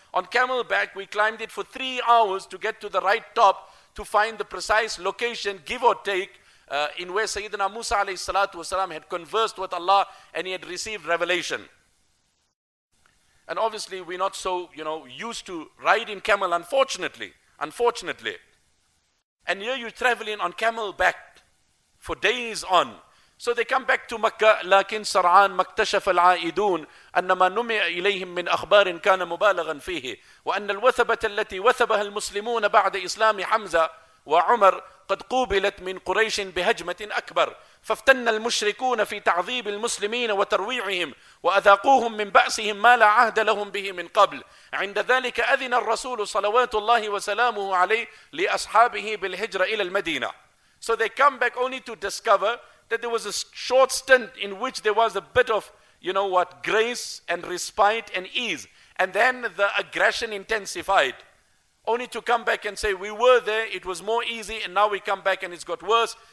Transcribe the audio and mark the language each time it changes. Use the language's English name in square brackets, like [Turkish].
[English] On camelback, we climbed it for 3 hours to get to the right top to find the precise location, give or take, in where Sayyidina Musa alayhi salatu wasalam had conversed with Allah and he had received revelation. And obviously, we're not so, you know, used to riding camel, unfortunately. Unfortunately. And here you're traveling on camelback for days on. So they come back to Makkah. [Arabic] لكن سرعان ما اكتشف العائدون أنما نمع إليهم من أخبار كان مبالغا فيه وأن الوثبة التي وثبها المسلمون بعد إسلام حمزة وعمر قد قوبلت من قريش بهجمة أكبر فافتن المشركون في تعذيب المسلمين وترويعهم وأذاقوهم من بأسهم ما لا عهد لهم به من قبل عند ذلك أذن الرسول صلوات الله وسلامه عليه لأصحابه بالهجرة إلى المدينة. [English] So they come back only to discover that there was a short stint in which there was a bit of, you know what, grace and respite and ease. And then the aggression intensified. Only to come back and say, we were there, it was more easy, and now we come back and it's got worse.